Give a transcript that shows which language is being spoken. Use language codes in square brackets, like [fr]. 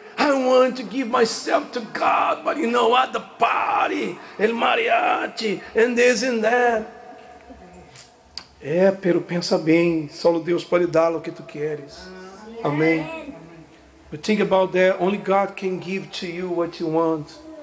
[en] I want to give myself to God, but you know what? The party, [es] el mariachi, [en] and this and that. [pt] É, pero pensa bem. Só Deus pode dar o que tu queres. [en] Amém. But think about that. Only God can give to you what you want.